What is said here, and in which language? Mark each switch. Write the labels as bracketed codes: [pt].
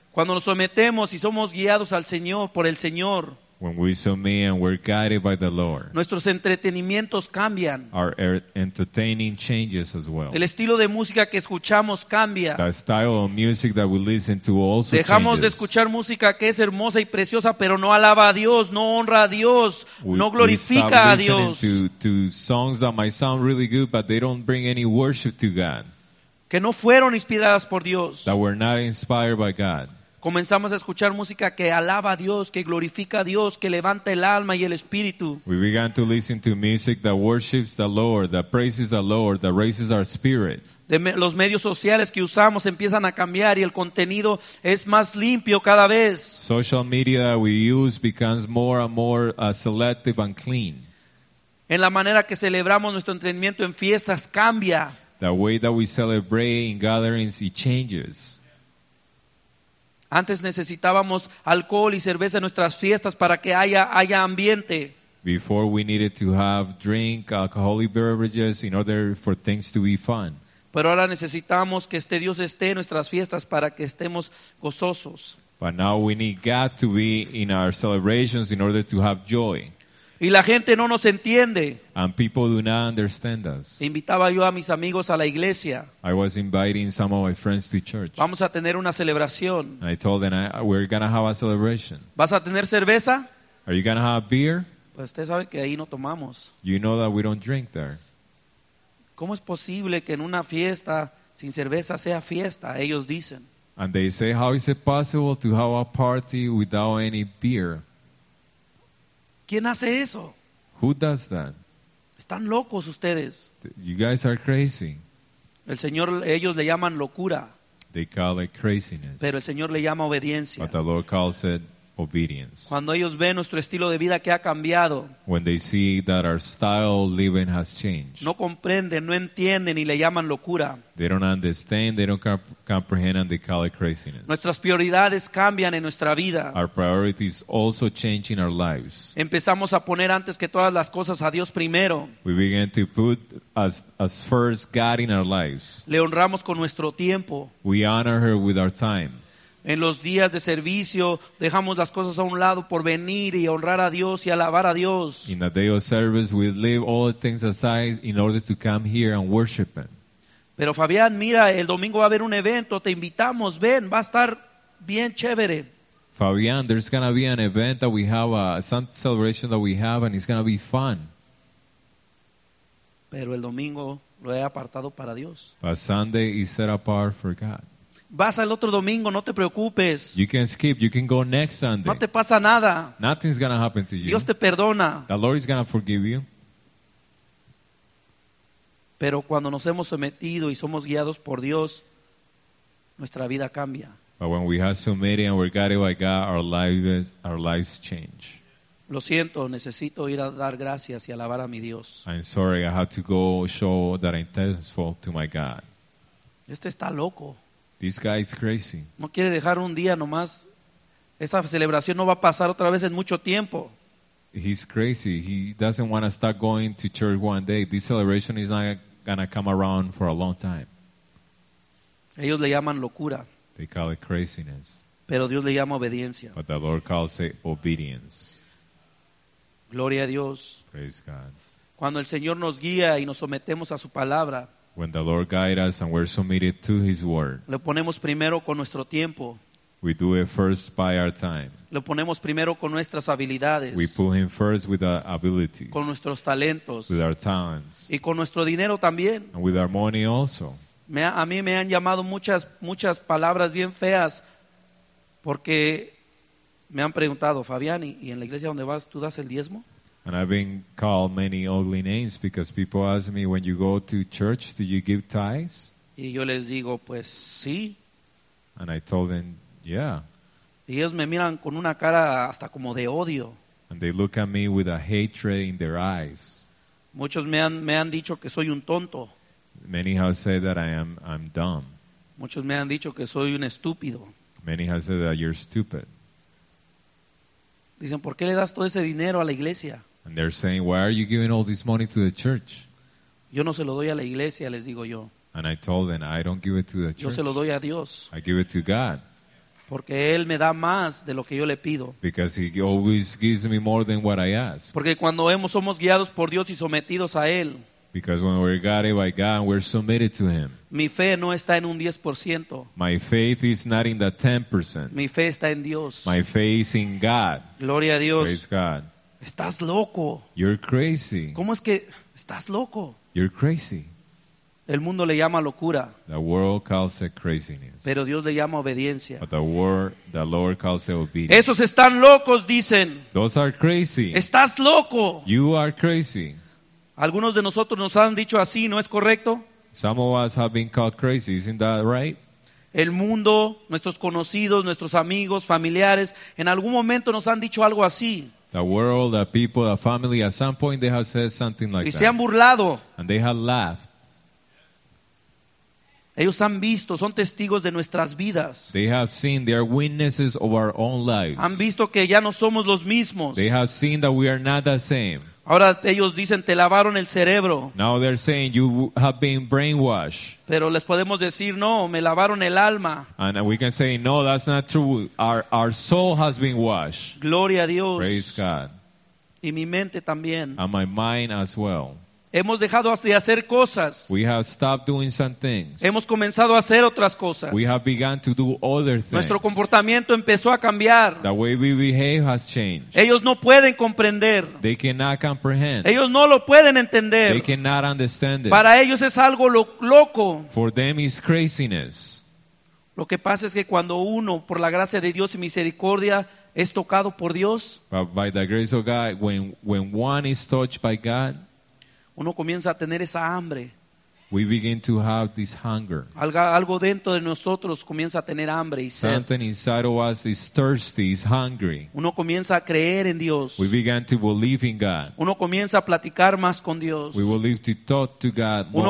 [es] Cuando nos sometemos y somos guiados al Señor, por el Señor. [en] When we submit and we're guided by the Lord. [es] Nuestros entretenimientos cambian. [en] Our entertaining changes as well. [es] El estilo de música que escuchamos cambia. [en] The style of music that we listen to also [es] dejamos [en] changes. [es] Dejamos de escuchar música que es hermosa y preciosa, pero no alaba a Dios, no honra a Dios, no glorifica a Dios. [en] We stop listening to songs that might sound really good, but they don't bring any worship to God. [es] Que no fueron inspiradas por Dios. [en] That were not inspired by God. [es] Comenzamos a escuchar música que alaba a Dios, que glorifica a Dios, que levanta el alma y el espíritu. [en] We began to listen to music that worships the Lord, that praises the Lord, that raises our spirit. [es] Los medios sociales que usamos empiezan a cambiar y el contenido es más limpio cada vez. [en] Social media we use becomes more and more selective and clean. [es] En la manera que celebramos nuestro entretenimiento en fiestas cambia. [en] The way that we celebrate in gatherings it changes. [es] Antes necesitábamos alcohol y cerveza en nuestras fiestas para que haya ambiente. [en] Before we needed to have drink, alcoholic beverages in order for things to be fun. [es] Pero ahora necesitamos que este Dios esté en nuestras fiestas para que estemos gozosos. [en] But now we need God to be in our celebrations in order to have joy. [es] Y la gente no nos entiende. [en] And people do not understand us. [es] Invitaba yo a mis amigos a la iglesia. [en] I was inviting some of my friends to church. [es] Vamos a tener una celebración. [en] And I told them, we're going to have a celebration. [es] ¿Vas a tener cerveza? [en] Are you going to have beer? [es] Pues usted sabe que ahí no tomamos. [en] You know that we don't drink there. [es] ¿Cómo es posible que en una fiesta sin cerveza sea fiesta? Ellos dicen. [en] And they say, how is it possible to have a party without any beer? [es] ¿Quién hace eso? [en] Who does that? [es] Están locos ustedes. [en] You guys are crazy. [es] El Señor, ellos le llaman locura. [en] They call it craziness. [es] Pero el Señor le llama obediencia. [en] But the Lord calls it obedience. [es] Cuando ellos ven nuestro estilo de vida que ha cambiado. [en] When they see that our style of living has changed. [es] No comprenden, no entienden y le llaman locura. [en] They don't understand, they don't comprehend and they call it craziness. [es] Nuestras prioridades cambian en nuestra vida. [en] Our priorities also change in our lives. [es] Empezamos a poner antes que todas las cosas a Dios primero. [en] We begin to put as first God in our lives. [es] Le honramos con nuestro tiempo. [en] We honor her with our time. [es] En los días de servicio dejamos las cosas a un lado por venir y honrar a Dios y alabar a Dios. [en] In the day of service we leave all the things aside in order to come here and worship Him. [es] Pero Fabián, mira, el domingo va a haber un evento, te invitamos, ven, va a estar bien chévere. [en] Fabián, there's going to be an event that we have, some celebration that we have and it's going to be fun. [es] Pero el domingo lo he apartado para Dios. [en] But Sunday is set apart for God. [es] Vas al otro domingo, no te preocupes. [en] You can skip, you can go next Sunday. [es] No te pasa nada. [en] Nothing's gonna happen to you. [es] Dios te perdona. [en] The Lord is gonna forgive you. [es] Pero cuando nos hemos sometido y somos guiados por Dios, nuestra vida cambia. [en] But when we have submitted and we're guided by God, our lives change. [es] Lo siento, necesito ir a dar gracias y alabar a mi Dios. [en] I'm sorry, I have to go show that I'm thankful to my God. [es] Este está loco. [en] This guy is crazy. [es] No quiere dejar un día nomás. Esa celebración no va a pasar otra vez en mucho tiempo. [en] He's crazy. He doesn't want to start going to church one day. This celebration is not going to come around for a long time. [es] Ellos le llaman locura. [en] They call it craziness. [es] Pero Dios le llama obediencia. [en] But the Lord calls it obedience. [es] Gloria a Dios. [en] Praise God. [es] Cuando el Señor nos guía y nos sometemos a su palabra. [en] When the Lord guides us and we're submitted to His word. [es] Lo ponemos primero con nuestro tiempo. [en] We do it first by our time. [es] Lo ponemos primero con nuestras habilidades. [en] We put Him first with our abilities. [es] Con nuestros talentos. [en] With our talents. [es] Y con nuestro dinero también. [en] And with our money also. [es] A mí me han llamado muchas palabras bien feas porque me han preguntado, Fabián, ¿y en la iglesia donde vas tú das el diezmo? [en] And I've been called many ugly names because people ask me, when you go to church, do you give tithes? [es] Y yo les digo, pues sí. [en] And I told them, yeah. [es] Y ellos me miran con una cara hasta como de odio. [en] And they look at me with a hatred in their eyes. [es] Muchos me han dicho que soy un tonto. [en] Many have said that I'm dumb. [es] Muchos me han dicho que soy un estúpido. [en] Many have said that you're stupid. [es] Dicen, ¿por qué le das todo ese dinero a la iglesia? [en] And they're saying, why are you giving all this money to the church? [es] Yo no se lo doy a la iglesia, les digo yo. [en] And I told them, I don't give it to the church. [es] Yo se lo doy a Dios. [en] I give it to God. [es] Porque Él me da más de lo que yo le pido. [en] Because He always gives me more than what I ask. [es] Porque cuando somos guiados por Dios y sometidos a Él. [en] Because when we're guided by God, we're submitted to Him. [es] Mi fe no está en un 10%. [en] My faith is not in the 10%. [es] Mi fe está en Dios. [en] My faith is in God. [es] Gloria a Dios. [en] Praise God. [es] Estás loco. [en] You're crazy. [es] ¿Cómo es que estás loco? [en] You're crazy. [es] El mundo le llama locura. [en] The world calls it craziness. [es] Pero Dios le llama obediencia. [en] But the Lord calls it obedience. [es] Esos están locos, dicen. [en] Those are crazy. [es] Estás loco. [en] You are crazy. [es] Algunos de nosotros nos han dicho así, ¿no es correcto? [en] Some of us have been called crazy, isn't that right? [es] El mundo, nuestros conocidos, nuestros amigos, familiares, en algún momento nos han dicho algo así. [en] The world, the people, the family, at some point they have said something like that. [es] Y se han burlado. [en] And they have laughed. [es] Ellos han visto, son testigos de nuestras vidas. [en] They have seen, they are witnesses of our own lives. [es] Han visto que ya no somos los mismos. [en] They have seen that we are not the same. [es] Ahora ellos dicen, te lavaron el cerebro. [en] Now they're saying, you have been brainwashed. [es] Pero les podemos decir, no, me lavaron el alma. [en] And we can say, no, that's not true. Our soul has been washed. [es] Gloria a Dios. [en] Praise God. [es] Y mi mente también. [en] And my mind as well. [es] Hemos dejado de hacer cosas. [en] We have stopped doing some things. [es] Hemos comenzado a hacer otras cosas. [en] We have begun to do other things. [es] Nuestro comportamiento empezó a cambiar. [en] The way we behave has changed. [es] Ellos no pueden comprender. [en] They cannot comprehend. [es] Ellos no lo pueden entender. [en] They cannot understand it. [es] Para ellos es algo loco. [en] For them is craziness. [es] Lo que pasa es que cuando uno, por la gracia de Dios y misericordia, es tocado por Dios, [en] by the grace of God, when one is touched by God, [es] uno comienza a tener esa hambre. [en] We begin to have this hunger. [es] Algo dentro de nosotros comienza a tener hambre y sed. [en] Something inside of us is thirsty, is hungry. [es] Uno comienza a creer en Dios. [en] We begin to believe in God. [es] Uno comienza a platicar más con Dios. [en] We believe to talk to God more.